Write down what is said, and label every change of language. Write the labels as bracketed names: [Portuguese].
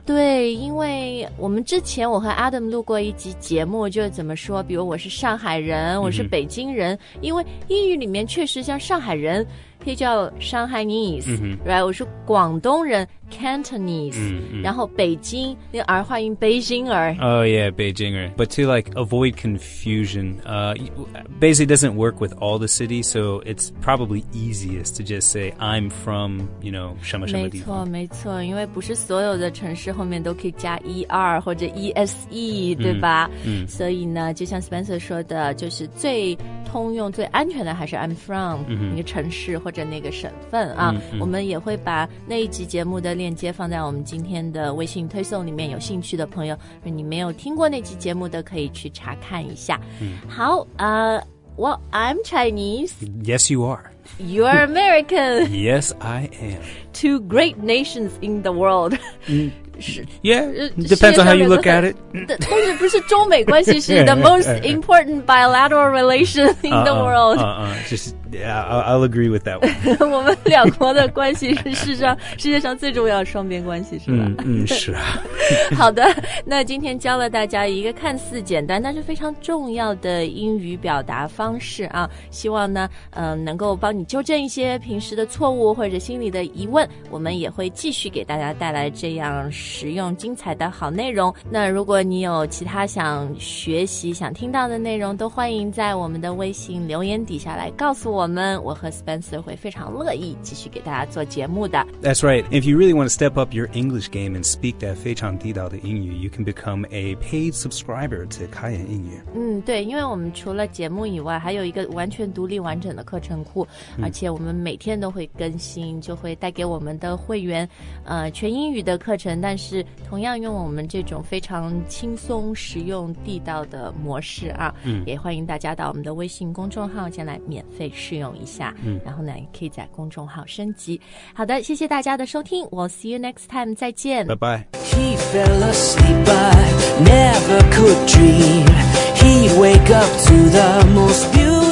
[Chinese] 对因为我们之前我和 Adam 录过一集节目就怎么说比如我是上海人我是北京人、因为英语里面确实像上海人可以叫 Shanghainese、right? 我是广东人 Cantonese、然后北京那个儿化音 Beijinger [English] Oh yeah, Beijinger But to like avoid confusion、basically doesn't work with all the cities So it's probably easiest to just say I'm from, you know, [Chinese] 什么什么地方没错因为不是所有的城市后面都可以加 ER 或者 ESE 对吧、所以呢就像 Spencer 说的就是最通用最安全的还是 [English] I'm from [Chinese] 那个城市或者那个省份啊、我们也会把那一集节目的链接放在我们今天的微信推送里面有兴趣的朋友你没有听过那集节目的可以去查看一下、好 [English] Well, I'm Chinese Yes, you are You're American Yes, I am Two great nations in the world、 Yeah, depends on how you look at it [Chinese] 但是不是中美关系是 [English] the most important bilateral relation in the world I'll agree with that one [Chinese] 我们两国的关系是世界上最重要的双边关系是吧是啊好的那今天教了大家一个看似简单但是非常重要的英语表达方式啊希望呢能够帮你纠正一些平时的错误或者心里的疑问我们也会继续给大家带来这样实用精彩的好内容那如果你有其他想学习想听到的内容都欢迎在我们的微信留言底下来告诉我们我和 Spencer 会非常乐意继续给大家做节目的 [English] That's right If you really want to step up your English game and speak that [Chinese] 非常地道的英语 [English] You can become a paid subscriber to 开言英语 [Chinese] 对因为我们除了节目以外还有一个完全独立完整的课程库而且我们每天都会更新就会带给我们的会员全英语的课程但是同样用我们这种非常轻松实用地道的模式啊也欢迎大家到我们的微信公众号前来免费试用一下然后呢也可以在公众号升级好的谢谢大家的收听 [English] We'll see you next time [Chinese] 再见 [English] Bye bye He fell asleep I never could dream He wake up to the most beautiful